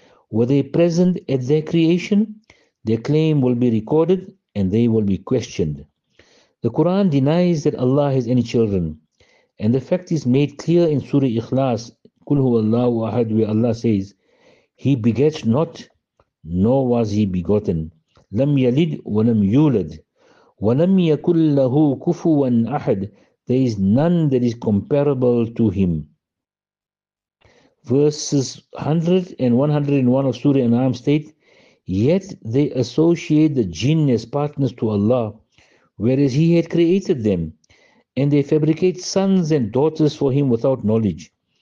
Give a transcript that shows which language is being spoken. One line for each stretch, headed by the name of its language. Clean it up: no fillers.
English: Were they present at their creation? Their claim will be recorded and they will be questioned. The Quran denies that Allah has any children. And the fact is made clear in Surah Ikhlas, Kul huwa Allahu Ahad, where Allah says, he begets not, nor was he begotten.
Arabic: لم يلد ولم يولد ولم يكن له كفوا أحد.
English: There is none that is comparable to him. Verses 100 and 101 of Surah An'am state, yet they associate the jinn as partners to Allah, whereas he had created them, and they fabricate sons and daughters for him without knowledge.